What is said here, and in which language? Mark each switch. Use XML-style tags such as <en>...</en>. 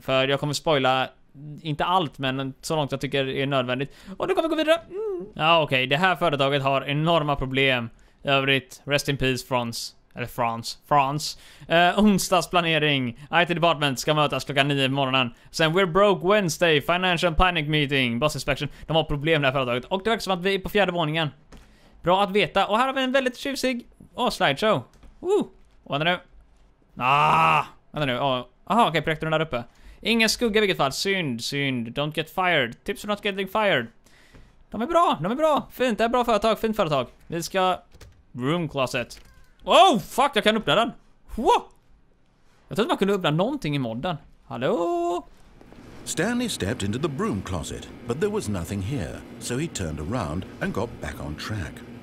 <sv>För jag kommer spoila, inte allt, men så långt jag tycker är nödvändigt. Och nu kommer vi gå vidare. Ja, okej, det här företaget har enorma problem. I övrigt,</sv> <en>rest in peace</en> <sv>France. Eller France. Onsdagsplanering. IT department ska mötas klockan 9 på morgonen. Sen</sv> <en>we're broke Wednesday. Financial panic meeting. Boss inspection.</en> <sv>De har problem det här företaget. Och det verkar som att vi är på fjärde våningen. Bra att veta. Och här har vi en väldigt tjusig... slideshow. Vad är det nu? Aha, okej, projektorn där uppe. Ingen skugga i vilket fall. Synd.</sv> <en>Don't get fired. Tips for not getting fired.</en> <sv>De är bra. Fint, det är bra företag. Fint företag. Vi ska...</sv> <en>Room closet. Oh, fuck,</en> <sv>jag kan öppna den. Whoa. Jag trodde man kunde öppna någonting i modden. Hallå?</sv> <en>Stanley stepped into the broom closet, but there was nothing here, so he turned around and got back on track.</en>